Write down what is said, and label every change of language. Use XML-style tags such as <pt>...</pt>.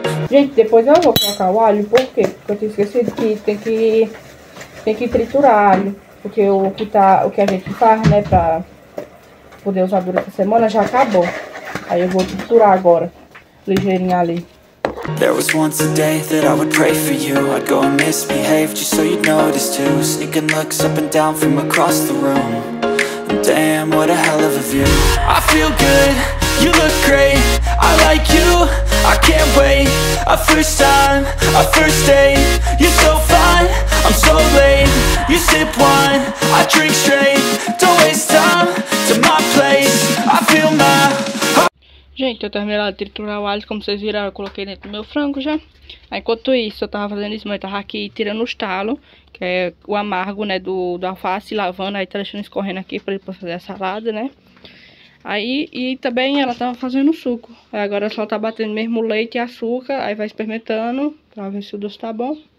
<pt>Gente, depois eu vou colocar o alho, por quê? Porque eu tinha esquecido que tem que triturar alho. Porque o que a gente faz, né, pra poder usar durante a semana já acabou. Aí eu vou triturar agora, ligeirinho ali.</pt> <en>There was once a day that I would pray for you. I'd go and misbehave just so you'd notice too. Sneaking looks up and down from across the room. Damn, what a hell of a view. I feel good, you look great. I like you, I can't wait. A first time, a first date. You're so fine, I'm so late. You sip wine, I drink straight. Don't waste time to my place. I feel my.</en> <pt>Gente, eu terminei lá de triturar o alho, como vocês viraram, eu coloquei dentro do meu frango já. Aí, enquanto isso, eu tava fazendo isso, mas eu tava aqui tirando os talos, que é o amargo, né, do alface, lavando, aí tá deixando escorrendo aqui pra depois fazer a salada, né. Aí, e também ela tava fazendo o suco. Aí agora só tá batendo mesmo leite e açúcar, aí vai experimentando pra ver se o doce tá bom.</pt>